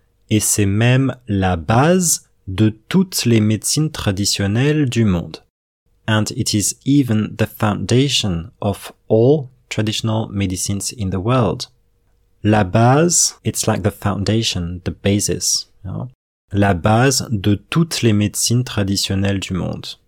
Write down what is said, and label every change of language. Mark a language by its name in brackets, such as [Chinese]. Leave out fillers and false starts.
[French] Et c'est même la base de toutes les médecines traditionnelles du monde. [English] And it is even the foundation of all traditional medicines in the world. [French] La base, [English] it's like the foundation, the basis. You know? [French] La base de toutes les médecines traditionnelles du monde.